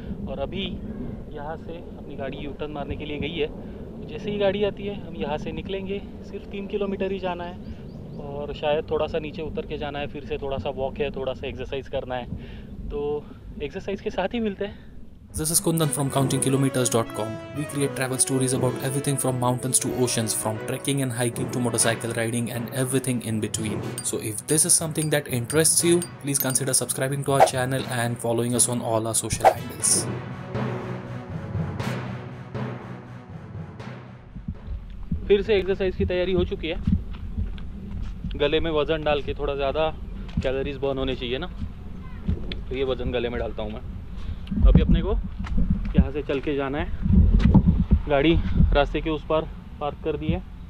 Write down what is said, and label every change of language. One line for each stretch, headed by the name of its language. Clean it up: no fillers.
Hindi: और अभी यहाँ से अपनी गाड़ी यू टर्न मारने के लिए गई है, जैसे ही गाड़ी आती है हम यहाँ से निकलेंगे। सिर्फ 3 किलोमीटर ही जाना है, और शायद थोड़ा सा नीचे उतर के जाना है, फिर से थोड़ा सा वॉक है, थोड़ा सा एक्सरसाइज करना है, तो एक्सरसाइज के साथ ही मिलते हैं।
English: This is Kundan from countingkilometers.com. We create travel stories about everything from mountains to oceans, from trekking and hiking to motorcycle riding and everything in between. So if this is something that interests you, please consider subscribing to our channel and following us on all our social handles.
Hindi: फिर से exercise की तैयारी हो चुकी है, गले में वजन डाल के थोड़ा ज्यादा कैलोरीज बर्न होने चाहिए ना, तो ये वजन गले में डालता हूं मैं। अभी अपने को यहाँ से चल के जाना है, गाड़ी रास्ते के उस पार पार्क कर दी है।